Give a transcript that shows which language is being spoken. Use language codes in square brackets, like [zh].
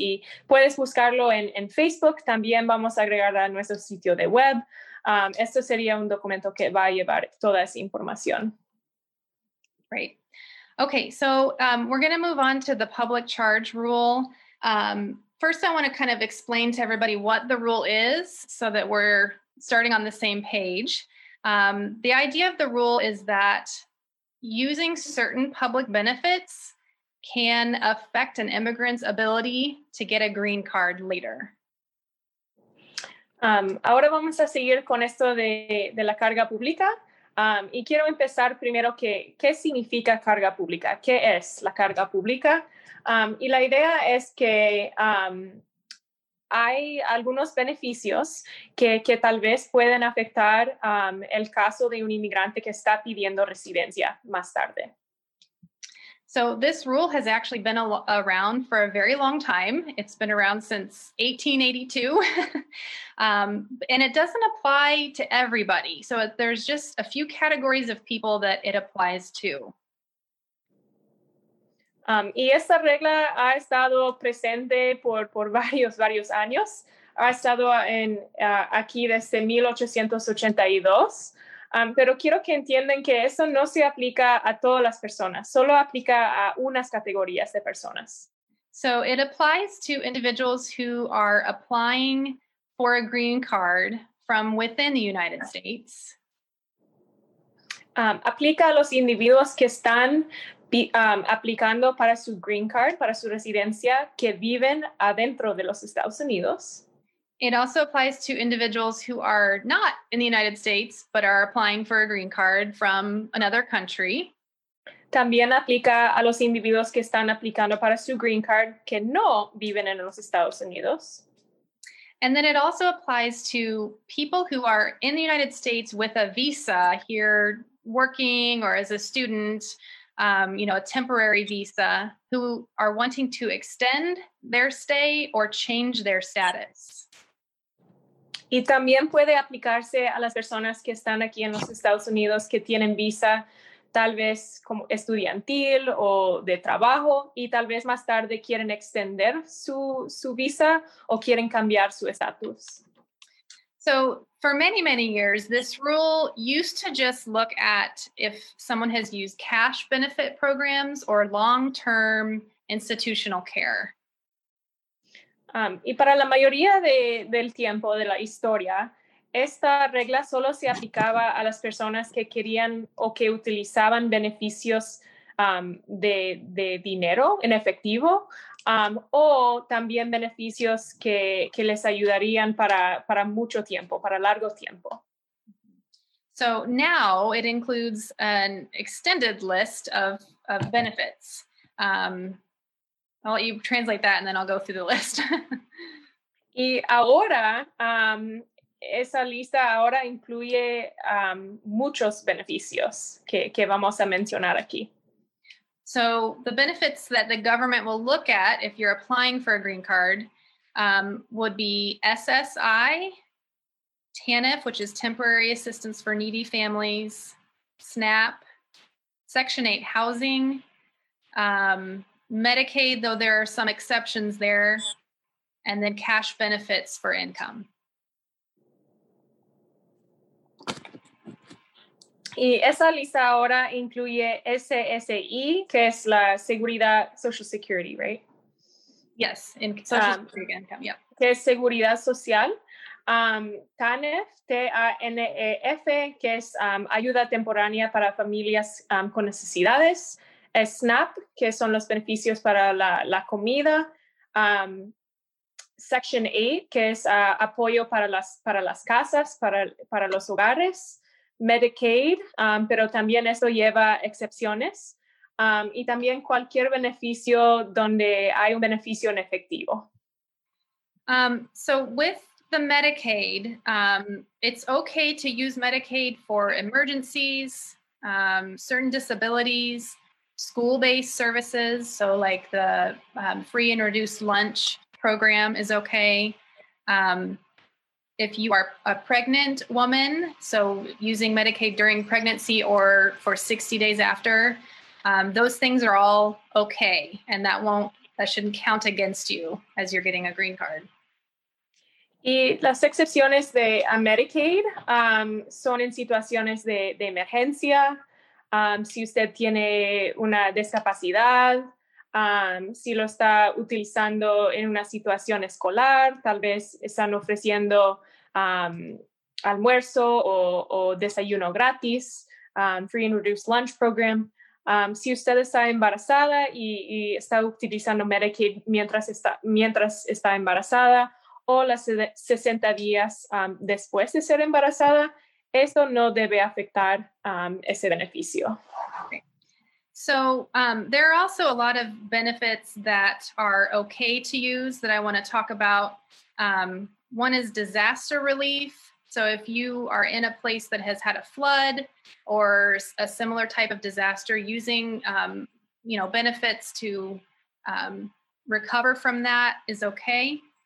[es] Y puedes buscarlo en Facebook. También vamos a agregarlo a nuestro sitio de web. Esto sería un documento que va a llevar toda esa información. [en] Great. Okay, so we're going to move on to the public charge rule. First, I want to kind of explain to everybody what the rule is so that we're starting on the same page. The idea of the rule is that using certain public benefits can affect an immigrant's ability to get a green card later. [es] Ahora vamos a seguir con esto de la carga pública. Y quiero empezar primero qué significa carga pública, qué es la carga pública. Y la idea es que hay algunos beneficios que tal vez pueden afectar el caso de un inmigrante que está pidiendo residencia más tarde. [en] So this rule has actually been around for a very long time. It's been around since 1882. and it doesn't apply to everybody. So there's just a few categories of people that it applies to. [es] Y esta regla ha estado presente por varios años. Ha estado aquí desde 1882. Pero quiero que entiendan que eso no se aplica a todas las personas. Solo aplica a unas categorías de personas. [en] So it applies to individuals who are applying for a green card from within the United States? [es] Aplica a los individuos que están aplicando para su green card, para su residencia, que viven adentro de los Estados Unidos. [en] It also applies to individuals who are not in the United States, but are applying for a green card from another country. [es] También aplica a los individuos que están aplicando para su green card que no viven en los Estados Unidos. [en] And then it also applies to people who are in the United States with a visa here working or as a student, a temporary visa, who are wanting to extend their stay or change their status. [es] Y también puede aplicarse a las personas que están aquí en los Estados Unidos que tienen visa, tal vez como estudiantil o de trabajo, y tal vez más tarde quieren extender su visa o quieren cambiar su estatus. [en] So, for many, many years, this rule used to just look at if someone has used cash benefit programs or long-term institutional care. [es] Y para la mayoría del tiempo de la historia, esta regla solo se aplicaba a las personas que querían o que utilizaban beneficios de dinero en efectivo o también beneficios que les ayudarían para mucho tiempo, para largo tiempo. [en] So now it includes an extended list of benefits. I'll let you translate that and then I'll go through the list. [es] Y ahora, esa lista ahora incluye muchos beneficios que vamos a mencionar aquí. [en] So the benefits that the government will look at if you're applying for a green card would be SSI, TANF, which is Temporary Assistance for Needy Families, SNAP, Section 8 housing, Medicaid, though there are some exceptions there, and then cash benefits for income. [es] Y esa lista ahora incluye SSI, que es la Seguridad [en] Social Security, right? Yes, in Social Security income, yeah. [es] Que es Seguridad Social. TANF, T-A-N-E-F, que es Ayuda Temporánea para Familias con Necesidades. SNAP, que son los beneficios para la comida. Section 8, que es apoyo para las casas, para los hogares. Medicaid, pero también eso lleva excepciones. Y también cualquier beneficio donde hay un beneficio en efectivo. [en] So with the Medicaid, it's okay to use Medicaid for emergencies, certain disabilities, school-based services, so like the free and reduced lunch program is okay. If you are a pregnant woman, so using Medicaid during pregnancy or for 60 days after, those things are all okay, and that shouldn't count against you as you're getting a green card. [es] Y las excepciones de Medicaid son en situaciones de emergencia. Si usted tiene una discapacidad, si lo está utilizando en una situación escolar, tal vez están ofreciendo almuerzo o desayuno gratis, [en] free and reduced lunch program. [es] Si usted está embarazada y está utilizando Medicaid mientras está embarazada o las 60 días después de ser embarazada, eso no debe afectar ese beneficio. [en] So there are also a lot of benefits that are okay to use that I want to talk about. One is disaster relief. So if you are in a place that has had a flood or a similar type of disaster, using benefits to recover from that is okay.